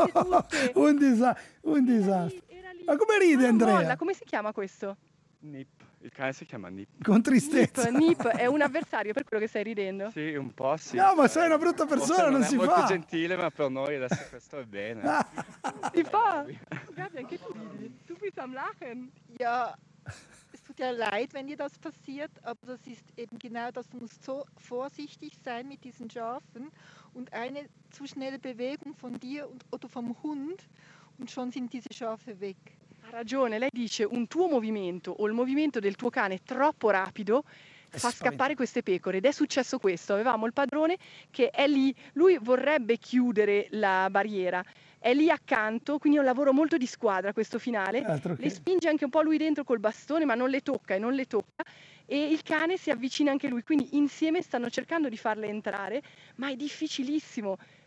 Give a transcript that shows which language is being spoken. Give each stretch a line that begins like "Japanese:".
Italian: Era lì. Ma come ride Andrea? Molla. Come si chiama questo? Nip. Il cane si chiama Nip. Con tristezza. Nip è un avversario per quello che stai ridendo? Sì, un po' sì. No, ma sei una brutta persona, non si fa. Forse non è molto gentile, ma per noi adesso questo è bene. Si fa? Gabi, anche tu ridi.
German: Tu bist am Lachen. Ja, es tut ja leid, wenn dir das passiert, aber das ist eben genau das. Du musst so vorsichtig sein mit diesen Schafen und eine zu schnelle Bewegung von dir oder vom Hund und schon sind diese Schafe weg.
Italian: Ha ragione, lei dice un tuo movimento o il movimento del tuo cane troppo rapido fa scappare queste pecore ed è successo questo, avevamo il padrone che è lì, lui vorrebbe chiudere la barriera, è lì accanto, quindi è un lavoro molto di squadra questo finale, le spinge anche un po' lui dentro col bastone ma non le tocca e il cane si avvicina anche lui, quindi insieme stanno cercando di farle entrare ma è difficilissimo.